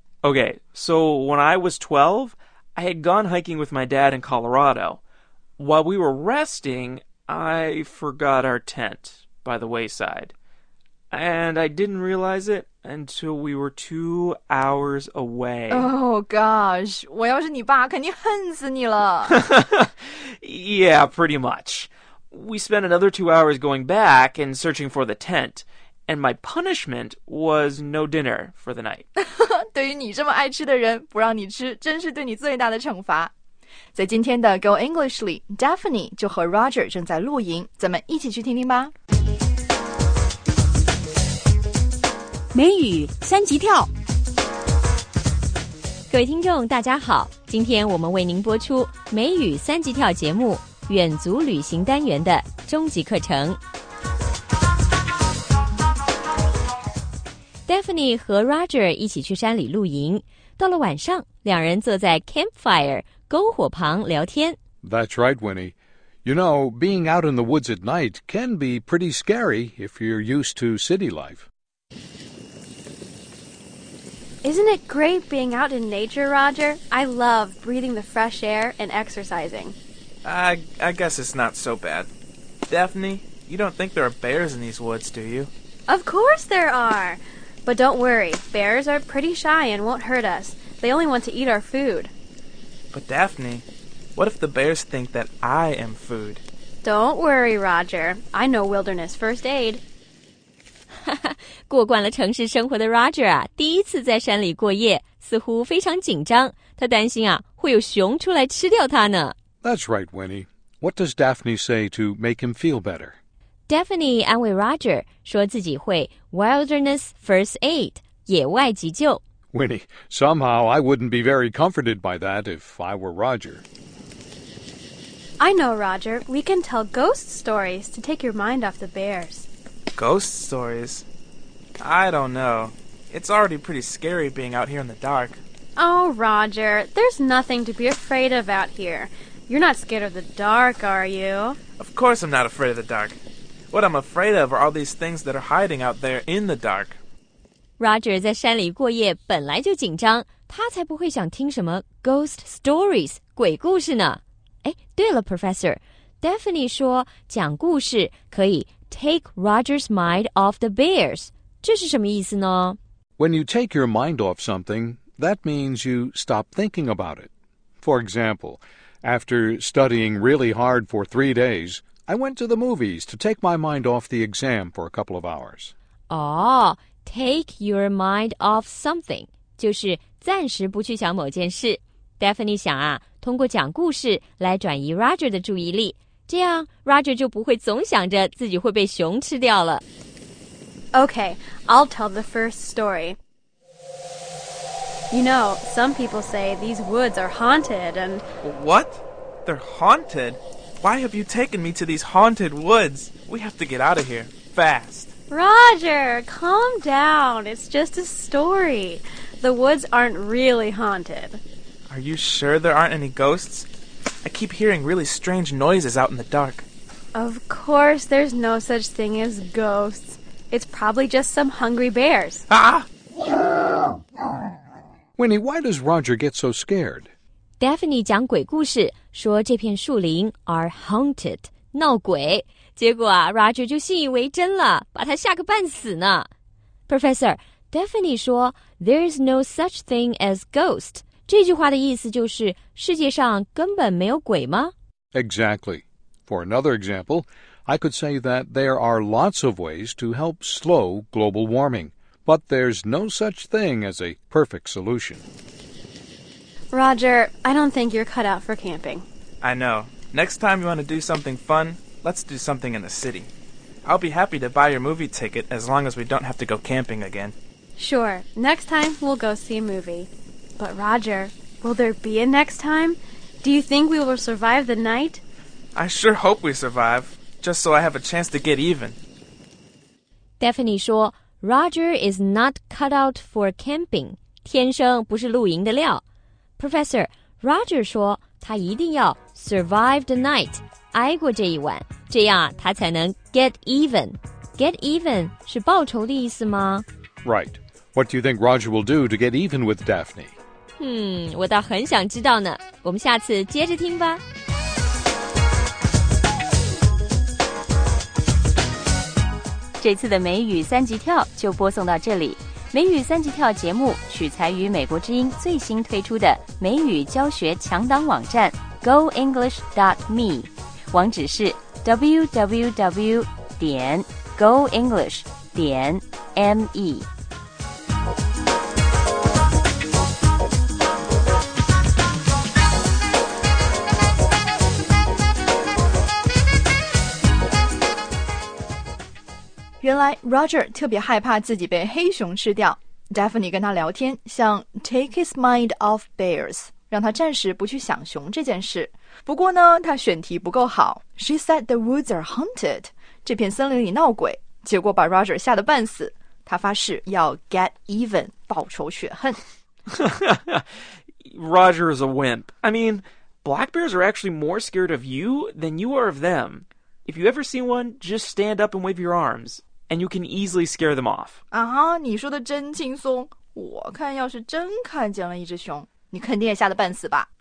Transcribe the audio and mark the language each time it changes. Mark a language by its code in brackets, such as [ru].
[en] Okay, so when I was 12, I had gone hiking with my dad in Colorado. While we were resting, I forgot our tent by the wayside. And I didn't realize it until we were 2 hours away. Oh gosh, [zh] 我要是你爸肯定恨死你了。 [en] Yeah, pretty much. We spent another 2 hours going back and searching for the tent. And my punishment was no dinner for the night. [zh] 对于你这么爱吃的人，不让你吃，真是对你最大的惩罚。在今天的 Go English 里 ，Daphne 就和 Roger 正在露营，咱们一起去听听吧。美语三级跳，各位听众大家好，今天我们为您播出美语三级跳节目远足旅行单元的终极课程。 Daphne 和 Roger 一起去山里露营。到了晚上，两人坐在 campfire 篝火旁聊天。 [en] That's right, Winnie. You know, being out in the woods at night can be pretty scary if you're used to city life. Isn't it great being out in nature, Roger? I love breathing the fresh air and exercising. I guess it's not so bad. Daphne, you don't think there are bears in these woods, do you? Of course there are! But don't worry, bears are pretty shy and won't hurt us. They only want to eat our food. But Daphne, what if the bears think that I am food? Don't worry, Roger. I know wilderness first aid. [zh] 过惯了城市生活的 Roger 啊，第一次在山里过夜，似乎非常紧张。他担心啊，会有熊出来吃掉他呢。 [en] That's right, Winnie. What does Daphne say to make him feel better? [zh] Daphne 安慰 Roger, 说自己会 Wilderness First Aid, 野外急救。 [en] Winnie, somehow I wouldn't be very comforted by that if I were Roger. I know, Roger. We can tell ghost stories to take your mind off the bears. Ghost stories? I don't know. It's already pretty scary being out here in the dark. Oh, Roger, there's nothing to be afraid of out here. You're not scared of the dark, are you? Of course I'm not afraid of the dark. What I'm afraid of are all these things that are hiding out there in the dark. [zh] Roger 在山里过夜本来就紧张，他才不会想听什么 [en] ghost stories, [zh] 鬼故事呢。哎，对了 ,Professor, Daphne 说讲故事可以 [en] take Roger's mind off the bears, [zh] 这是什么意思呢？ [en] When you take your mind off something, that means you stop thinking about it. For example, after studying really hard for 3 days, I went to the movies to take my mind off the exam for a couple of hours. Oh, take your mind off something, [zh] 就是暂时不去想某件事。 Daphne 想啊，通过讲故事来转移 Roger 的注意力，这样 Roger 就不会总想着自己会被熊吃掉了。 [en] Okay, I'll tell the first story. You know, some people say these woods are haunted and... What? They're haunted? Why have you taken me to these haunted woods? We have to get out of here, fast. Roger, calm down. It's just a story. The woods aren't really haunted. Are you sure there aren't any ghosts? I keep hearing really strange noises out in the dark. Of course there's no such thing as ghosts. It's probably just some hungry bears. Ah! Winnie, why does Roger get so scared? [zh] Daphne 讲鬼故事说这片树林 [en] are haunted, [zh] 闹鬼。结果啊 Roger 就信以为真了，把他吓个半死呢。 Professor, Daphne 说 [en] there's no such thing as ghost. [zh] 这句话的意思就是世界上根本没有鬼吗？ [en] Exactly. For another example, I could say that there are lots of ways to help slow global warming, but there's no such thing as a perfect solution. Roger, I don't think you're cut out for camping. I know. Next time you want to do something fun, let's do something in the city. I'll be happy to buy your movie ticket as long as we don't have to go camping again. Sure. Next time, we'll go see a movie. But Roger, will there be a next time? Do you think we will survive the night? I sure hope we survive, just so I have a chance to get even. [zh] Daphne 说 [en] Roger is not cut out for camping, [zh] 天生不是露营的料。 Professor, Roger 说他一定要 [en] survive the night, [zh] 挨过这一晚，这样他才能 [en] get even. Get even [zh] 是报仇的意思吗？ [en] Right. What do you think Roger will do to get even with Daphne? [zh] 我倒很想知道呢，我们下次接着听吧。这次的美语三级跳就播送到这里。美语三级跳节目取材于美国之音最新推出的美语教学强档网站 goenglish.me， 网址是 www.goenglish.me。原来 Roger 特别害怕自己被黑熊吃掉。Daphne 跟他聊天，像 [en] take his mind off bears， [zh] 让他暂时不去想熊这件事。不过呢，他选题不够好。 [en] She said the woods are haunted， [zh] 这片森林里闹鬼，结果把 Roger 吓得半死。他发誓要 [en] get even， [zh] 报仇雪恨。 [en] Roger is a wimp. I mean, black bears are actually more scared of you than you are of them. If you ever see one, just stand up and wave your arms. And you can easily scare them off. [zh] 啊，你说的真轻松。我看要是真看见了一只熊，你肯定也吓得半死吧。